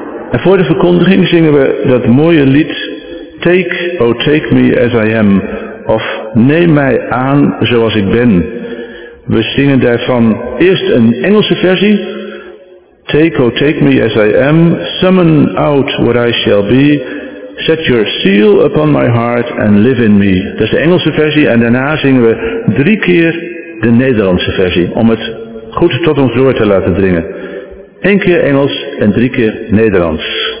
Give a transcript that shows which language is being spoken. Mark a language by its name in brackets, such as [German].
[Dutch] Voor de verkondiging zingen we dat mooie lied [English] Take, oh take me as I am, [Dutch] of neem mij aan zoals ik ben. We zingen daarvan eerst een Engelse versie. [English] Take, oh take me as I am, summon out what I shall be, set your seal upon my heart and live in me. [Dutch] Dat is de Engelse versie en daarna zingen we 3 keer de Nederlandse versie om het goed tot ons door te laten dringen. 1 keer Engels en 3 keer Nederlands.